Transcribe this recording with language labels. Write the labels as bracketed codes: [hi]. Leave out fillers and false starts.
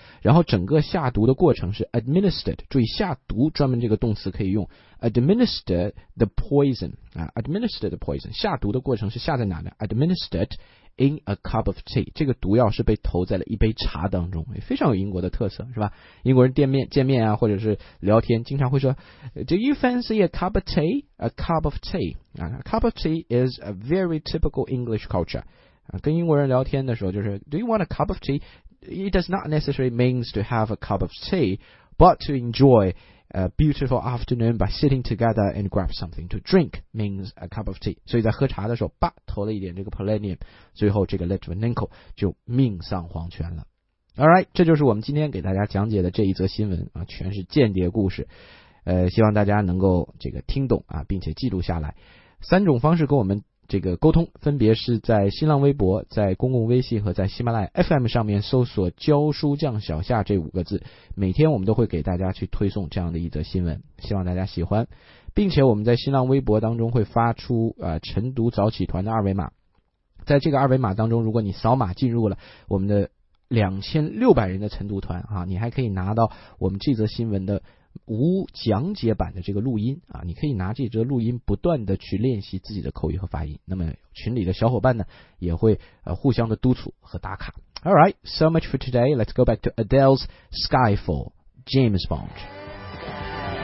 [zh] 然后整个下毒的过程是 administered， 注意下毒专门这个动词可以用 [en] administer the poison [zh] 啊， [en] administer the poison， [zh] 下毒的过程是下在哪呢？ [en] administeredIn a cup of tea， [zh] 这个毒药是被投在了一杯茶当中，也非常有英国的特色，是吧？英国人见面啊，或者是聊天，经常会说 ， [en] Do you fancy a cup of tea？ A cup of tea， a cup of tea is a very typical English culture。 [zh] 跟英国人聊天的时候，就是 [en] Do you want a cup of tea？ It does not necessarily means to have a cup of tea， but to enjoy a beautiful afternoon by sitting together and grab something to drink means a cup of tea。 [zh] 所以在喝茶的时候吧，投了一点这个 polonium， 最后这个 Litvinenko 就命丧黄泉了。 Alright， 这就是我们今天给大家讲解的这一则新闻啊，全是间谍故事，希望大家能够这个听懂啊，并且记录下来。三种方式跟我们这个沟通，分别是在新浪微博、在公共微信和在喜马拉雅 FM 上面搜索教书匠小夏这五个字，每天我们都会给大家去推送这样的一则新闻，希望大家喜欢。并且我们在新浪微博当中会发出晨读早起团的二维码，在这个二维码当中，如果你扫码进入了我们的2600人的晨读团啊，你还可以拿到我们这则新闻的无讲解版的这个录音啊，你可以拿这则录音不断的去练习自己的口语和发音。那么群里的小伙伴呢，也会互相的督促和打卡。 [en] All right, so much for today. Let's go back to Adele's Skyfall, James Bond.